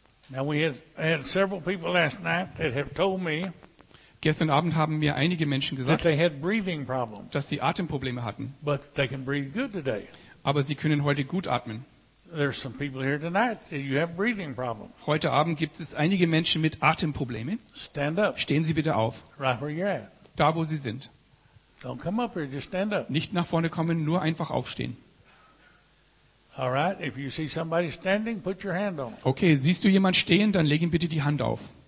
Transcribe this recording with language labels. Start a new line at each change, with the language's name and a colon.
English: Now we had several people last night that have told me.
German: Gestern Abend haben mir einige Menschen gesagt,
English: that they had breathing problems.
German: Dass sie Atemprobleme hatten.
English: But they can breathe good today.
German: Aber sie können heute gut atmen.
English: There's some people here tonight that you have breathing problems.
German: Heute Abend gibt es einige Menschen mit Atemproblemen.
English: Stand up.
German: Stehen Sie bitte auf.
English: Right where you're at.
German: Da wo Sie sind.
English: Don't come up here, just stand up.
German: Nicht nach vorne kommen, nur einfach aufstehen.
English: All right, if you see somebody standing, put your hand on.
German: Okay, siehst du jemand stehen, dann leg ihm bitte die Hand auf.